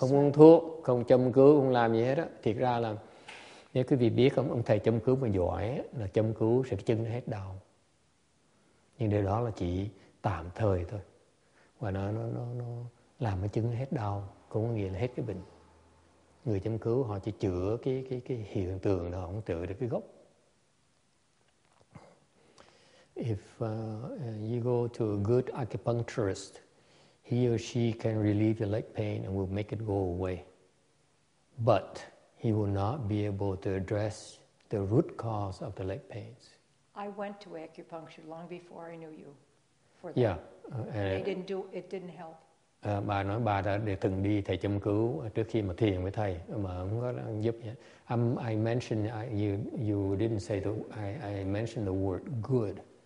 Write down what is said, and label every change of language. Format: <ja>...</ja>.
<vi>không uống thuốc, không châm cứu, không làm gì hết á. Thiệt ra là nếu quý vị biết không, ông thầy châm cứu mà giỏi ấy, là châm cứu sẽ cái chân nó hết đau. Nhưng điều đó là chỉ tạm thời thôi. Và nó làm cái chân nó hết đau, cũng có nghĩa là hết cái bệnh. Người châm cứu họ chỉ chữa cái hiện tượng đó, không chữa được cái gốc.</vi> <en>If you go to a good acupuncturist, he or she can relieve your leg pain and will make it go away. But he will not be able to address the root cause of the leg pains. I went to acupuncture long before I knew you. For yeah. It didn't help.</en> <vi>Bà nói bà đã từng đi thầy châm cứu trước khi mà thiền với thầy mà không có giúp gì.</vi> <en>I mentioned you didn't say I mentioned the word good.</en>